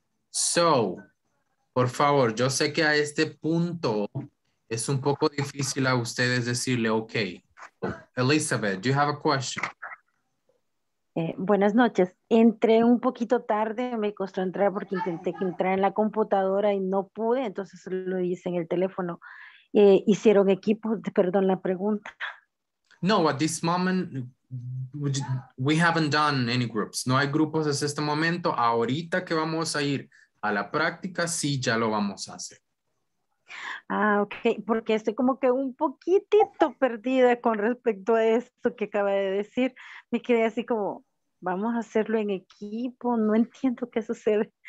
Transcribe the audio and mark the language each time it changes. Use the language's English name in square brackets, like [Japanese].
[Spanish] So, por favor, yo sé que a este punto es un poco difícil a ustedes decirle, okay. [English] Elizabeth, do you have a question? [Spanish] Buenas noches. Entré un poquito tarde, me costó entrar porque intenté entrar en la computadora y no pude, entonces lo hice en el teléfono. ¿Hicieron equipo? Perdón la pregunta. [English] No, at this moment, we haven't done any groups. [Spanish] No hay grupos desde este momento. Ahorita que vamos a ir a la práctica, sí, ya lo vamos a hacer. Ah, ok, porque estoy como que un poquitito perdida con respecto a esto que acaba de decir. Me quedé así como, vamos a hacerlo en equipo, no entiendo qué sucede.